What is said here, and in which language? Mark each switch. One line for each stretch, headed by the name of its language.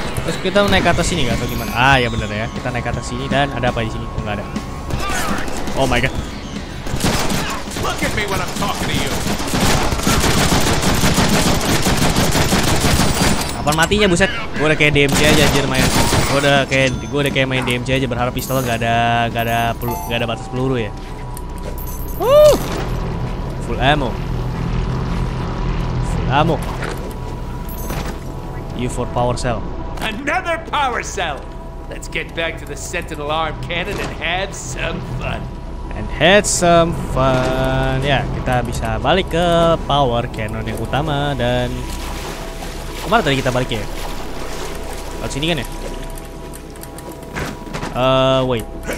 Indonesian: Terus kita naik ke atas sini gak atau gimana? Ah ya benar ya, kita naik ke atas sini dan ada apa di sini? Oh, gak ada.
English: Oh my god. Look at me when I'm talking to you.
Indonesian: Kapan matinya buset? Gue udah kayak DMC aja anjir main. Gue udah kayak main DMC aja berharap pistol gak ada batas peluru ya.
English: Full ammo. Full ammo. U4 power cell. Another power cell. Let's get back to the Sentinel arm cannon and have some fun.
Indonesian: Ya, kita bisa balik ke power cannon yang utama dan kemarin tadi kita balik ya. Lalu sini kan ya.
English: Wait.